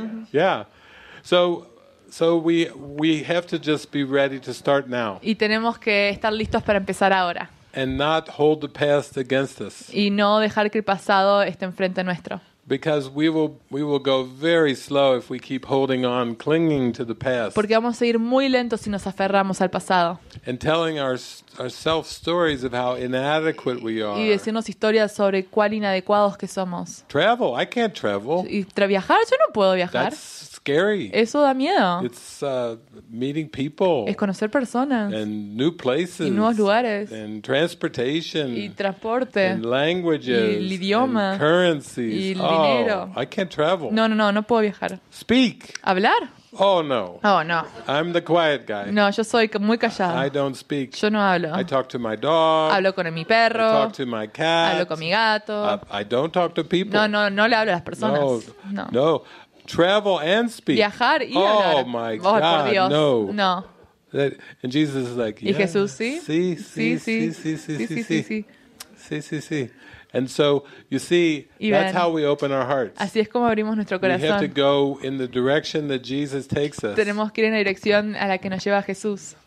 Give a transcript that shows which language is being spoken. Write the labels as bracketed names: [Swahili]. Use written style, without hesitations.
[English] Yeah. So we have to just be ready to start now. [Spanish] Y tenemos que estar listos para empezar ahora. [English] And not hold the past against us. [Spanish] Y no dejar que el pasado esté enfrente nuestro. [English] Because we will go very slow if we keep holding on, clinging to the past. [Spanish] Porque vamos a ir muy lento si nos aferramos al pasado. [English] And telling ourselves stories of how inadequate we are. [Spanish] Y decirnos historias sobre cuán inadecuados que somos. [English] Travel, I can't travel. [Spanish] Y viajar, yo no puedo viajar. [English] That's scary. [Spanish] Eso da miedo. [English] It's meeting people. [Spanish] Es conocer personas. [English] And new places. [Spanish] Y nuevos lugares. [English] And transportation. [Spanish] Y transporte. [English] And languages. [Spanish] Y el idioma. [English] And currencies. [Spanish] Y [English] I can't travel. [Spanish] No puedo viajar. [English] Speak. [Spanish] Hablar. [English] Oh no. I'm the quiet guy. [Spanish] No, yo soy muy callado. [English] I don't speak. [Spanish] Yo no hablo. [English] I talk to my dog. [Spanish] Hablo con mi perro. [English] I talk to my cat. [Spanish] Hablo con mi gato. [English] I don't talk to people. [Spanish] No le hablo a las personas. [English] No. Travel and speak. [Spanish] Viajar y oh, hablar. [English] My God, [Spanish] oh, por Dios. [English] No. And Jesus is like, yeah. [Spanish] ¿Y Jesús, sí? Sí. [English] And so, you see, that's how we open our hearts. [Spanish] Así es como abrimos nuestro corazón. [English] We have to go in the direction that Jesus takes us. [Spanish] Tenemos que ir en la dirección a la que nos lleva Jesús.